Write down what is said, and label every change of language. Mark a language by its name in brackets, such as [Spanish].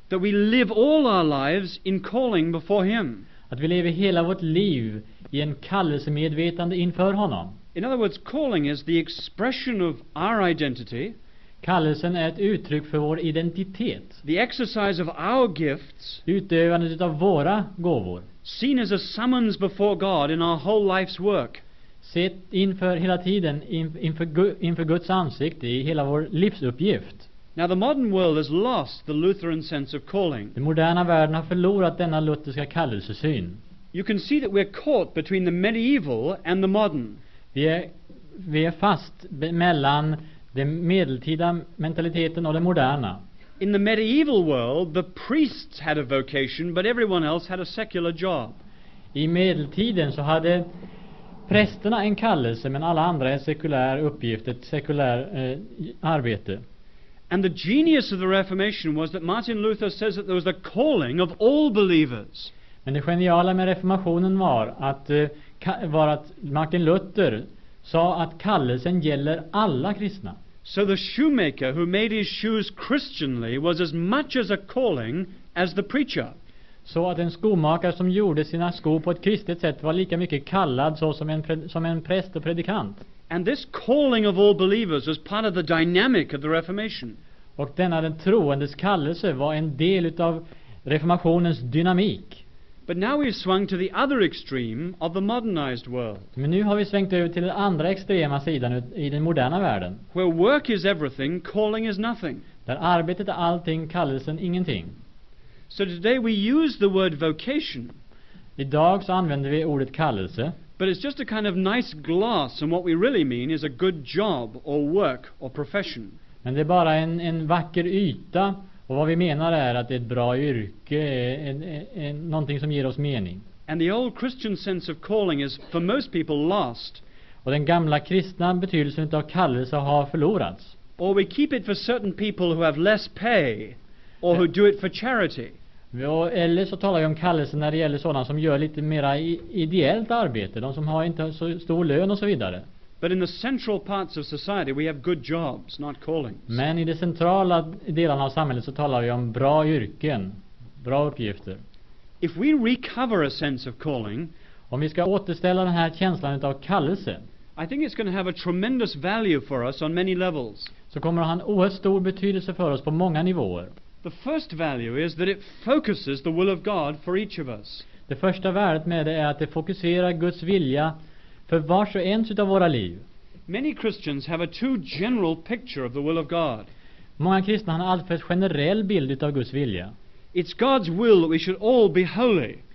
[English] that we live all our lives in calling before him. [Swedish] Att vi lever hela vårt liv i en kallelsemedvetande inför honom. [English] In other words, calling is the expression of our identity. [Swedish] Kallelsen är ett uttryck för vår identitet. [English] The exercise of our gifts, [Swedish] utövandet av våra gåvor, [English] seen as a summons before God in our whole life's work. [Swedish] Sitt inför hela tiden inför Guds ansikte i hela vår livsuppgift. [English] Now the modern world has lost the Lutheran sense of calling. [Swedish] Den moderna världen har förlorat denna lutherska kallelsesyn. [English] You can see that we're caught between the medieval and the modern. [Swedish] Vi är fast mellan den medeltida mentaliteten och den moderna. [English] In the medieval world, the priests had a vocation, but everyone else had a secular job. [Swedish] I medeltiden så hade prästerna en kallelse, men alla andra en sekulär uppgift, ett sekulär arbete. [English] And the genius of the Reformation was that Martin Luther says that there was the calling of all believers. [Swedish] Men det geniala med reformationen var att Martin Luther sa att kallelsen gäller alla kristna. [English] So the shoemaker who made his shoes Christianly was as much as a calling as the preacher. [Swedish] Så att en skomakare som gjorde sina skor på ett kristet sätt var lika mycket kallad så som en präst och predikant. [English] And this calling of all believers was part of the dynamic of the Reformation. [Swedish] Och denna den troendes kallelse var en del utav reformationens dynamik. [English] But now we've swung to the other extreme of the modernized world. [Swedish] Men nu har vi svängt över till den andra extrema sidan i den moderna världen. [English] Where work is everything, calling is nothing. [Swedish] Där arbetet är allting, kallelsen ingenting. [English] So today we use the word vocation. [Swedish] Idag så använder vi ordet kallelse. [English] But it's just a kind of nice gloss, and what we really mean is a good job or work or profession. [Swedish] Men det är bara en vacker yta. Och vad vi menar är att det är ett bra yrke, en någonting som ger oss mening. [English] And the old Christian sense of calling is for most people lost. [Swedish] Och den gamla kristna betydelsen av kallelse har förlorats. [English] Or we keep it for certain people who have less pay or who do it for charity. [Swedish] Eller så talar vi om kallelse när det gäller sådana som gör lite mer ideellt arbete, de som har inte så stor lön och så vidare. [English] But in the central parts of society we have good jobs, not callings. [Swedish] Men i de centrala delarna av samhället så talar vi om bra yrken, bra uppgifter. [English] If we recover a sense of calling, [Swedish] om vi ska återställa den här känslan av kallelse, [English] I think it's going to have a tremendous value for us on many levels. [Swedish] Så kommer det ha en oerhört stor betydelse för oss på många nivåer. [English] The first value is that it focuses the will of God for each of us. [Swedish] Det första värdet med det är att det fokuserar Guds vilja för vars och ens utav våra liv. [English] Many Christians have a too general picture of the will of God. [Swedish] Många kristna har en alltför generell bild utav Guds vilja. [English] It's God's will that we should all be holy.